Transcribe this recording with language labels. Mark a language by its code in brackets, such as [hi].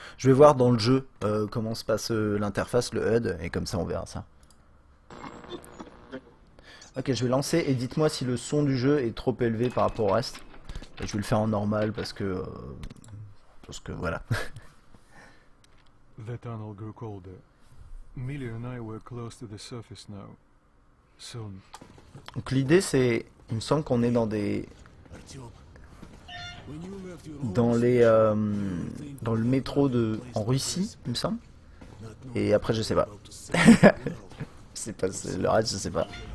[fr] Je vais voir dans le jeu comment se passe l'interface, le HUD, et comme ça, on verra ça. Ok, je vais lancer, et dites-moi si le son du jeu est trop élevé par rapport au reste. Et je vais le faire en normal, parce que, voilà. [en] The tunnel grew colder. Millie and I were close to the surface now. Soon. [fr] Donc l'idée c'est, il me semble qu'on est dans des, dans les, dans le métro de, en Russie, il me semble. Et après je sais pas, c'est pas le reste, je sais pas.